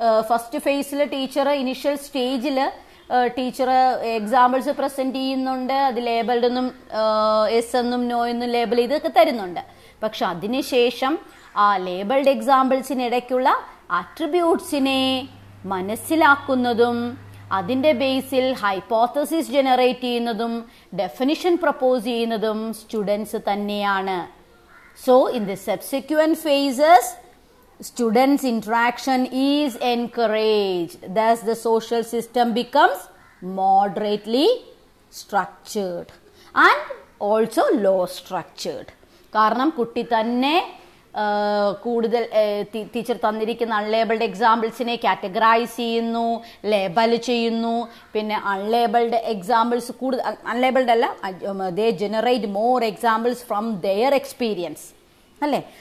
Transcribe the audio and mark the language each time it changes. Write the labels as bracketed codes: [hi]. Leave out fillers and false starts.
[ml] First ഫേസിൽ teacher initial സ്റ്റേജിൽ teacher examples present ചെയ്യുന്നുണ്ട്, അത് ലേബിൾഡെന്നും എസ് എന്നും നോ എന്നും ലേബിൾ ചെയ്തൊക്കെ തരുന്നുണ്ട്. പക്ഷെ അതിനുശേഷം ആ ലേബിൾഡ് എക്സാമ്പിൾസിനിടയ്ക്കുള്ള അട്രിബ്യൂട്ട്സിനെ മനസ്സിലാക്കുന്നതും അതിൻ്റെ ബേസിൽ ഹൈപ്പോത്തസിസ് ജനറേറ്റ് ചെയ്യുന്നതും ഡെഫിനിഷൻ പ്രപ്പോസ് ചെയ്യുന്നതും സ്റ്റുഡൻസ് തന്നെയാണ്. [en] So in the subsequent phases, students' interaction is encouraged. Thus the social system becomes moderately structured and also low structured. [ml] കാരണം കുട്ടി തന്നെ കൂടുതൽ ടീച്ചർ തന്നിരിക്കുന്ന അൺലേബിൾഡ് എക്സാമ്പിൾസിനെ കാറ്റഗറൈസ് ചെയ്യുന്നു, ലേബൽ ചെയ്യുന്നു, പിന്നെ അൺലേബിൾഡ് എക്സാമ്പിൾസ് കൂടുതൽ അൺലേബിൾഡ് അല്ല, [en] they generate more examples from their experience [ml] അല്ലേ.